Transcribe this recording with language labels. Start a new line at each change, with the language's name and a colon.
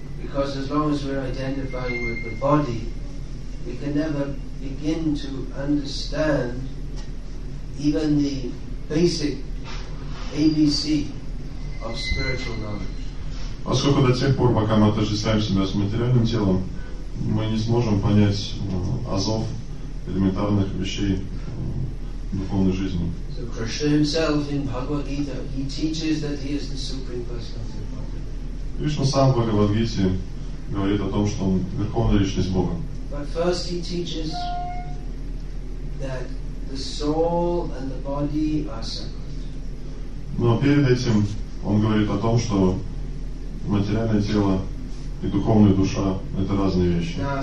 English: Because as long as we're identifying with the body, we can never begin to understand even the basic ABC of spiritual knowledge.
Russian: Поскольку до тех пор, пока мы отождествляем себя с материальным телом, мы не сможем понять азов элементарных вещей духовной жизни.
English: So Krishna himself in Bhagavad Gita, he teaches that he is the supreme personality of Godhead.
Russian: Кришна сам в Бхагавадгите говорит о том, что он верховная личность Бога.
English: But first he teaches that the soul and the body are separate.
Russian: Но перед этим он говорит о том, что материальное тело и духовная душа — это разные вещи.